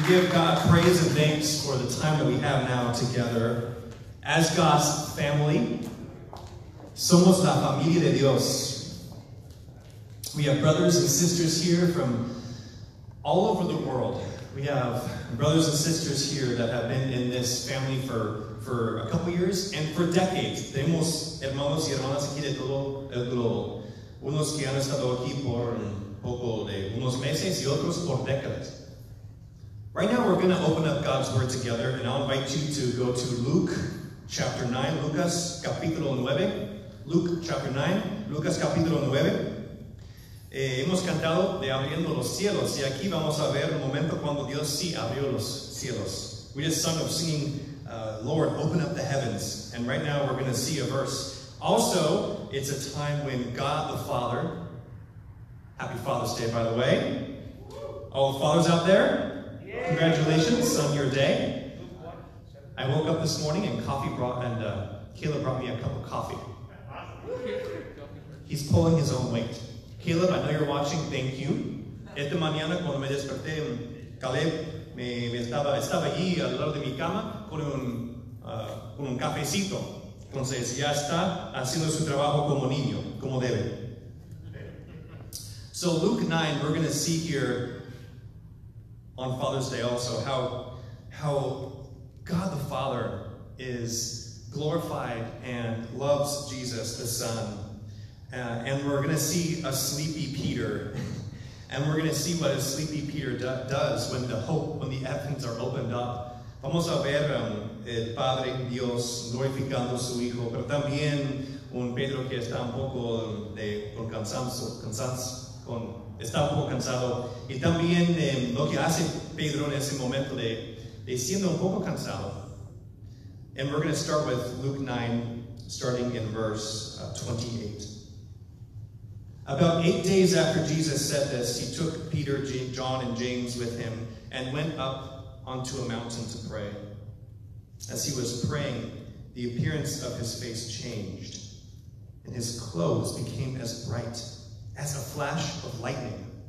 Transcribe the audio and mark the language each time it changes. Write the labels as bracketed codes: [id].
[en] We give God praise and thanks for the time that we have now together as God's family. [es] Somos la familia de Dios. [en] We have brothers and sisters here from all over the world. We have brothers and sisters here that have been in this family for a couple years and for decades. [es] Tenemos hermanos y hermanas aquí de todo el globo. Unos que han estado aquí por un poco de unos meses y otros por décadas. [en] Right now we're going to open up God's Word together, and I'll invite you to go to Luke chapter 9, [es] Lucas capítulo 9. [en] Luke chapter 9, [es] Lucas capítulo 9. Hemos cantado de abriendo los cielos, y aquí vamos a ver el momento cuando Dios sí abrió los cielos. [en] We just sung of singing, Lord, open up the heavens. And right now we're going to see a verse. Also, it's a time when God the Father, happy Father's Day, by the way. All the fathers out there, congratulations on your day. I woke up this morning and Caleb brought me a cup of coffee. He's pulling his own weight. Caleb, I know you're watching. Thank you. [es] Esta mañana cuando me desperté, Caleb me estaba allí al lado de mi cama con un cafecito. Entonces ya está haciendo su trabajo como niño, como debe. [en] So Luke 9, we're going to see here on Father's Day also how God the Father is glorified and loves Jesus the Son. And we're going to see a sleepy Peter. And we're going to see what a sleepy Peter does when the hope, when the heavens are opened up. [es] Vamos a ver el Padre Dios glorificando a su Hijo, pero también un Pedro que está un poco cansado. Y también lo que hace Pedro en ese momento de siendo un poco cansado. [en] And we're going to start with Luke 9, starting in verse 28. About 8 days after Jesus said this, he took Peter, John, and James with him and went up onto a mountain to pray. As he was praying, the appearance of his face changed, and his clothes became as bright as a flash of lightning.